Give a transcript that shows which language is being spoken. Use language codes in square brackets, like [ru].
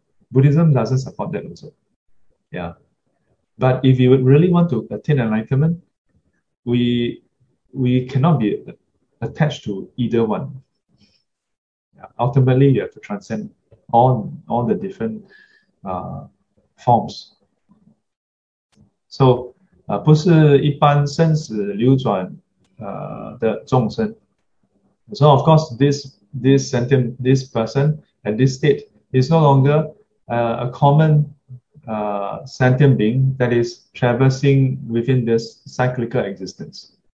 [en] Buddhism doesn't support that also. Yeah. But if you would really want to attain enlightenment, we cannot be attached to either one. Yeah. Ultimately, you have to transcend all the different forms. [zh] So, 不是一般生死流转的众生. [en] So of course, this sentient, this person at this state is no longer a common sentient being that is traversing within this cyclical existence.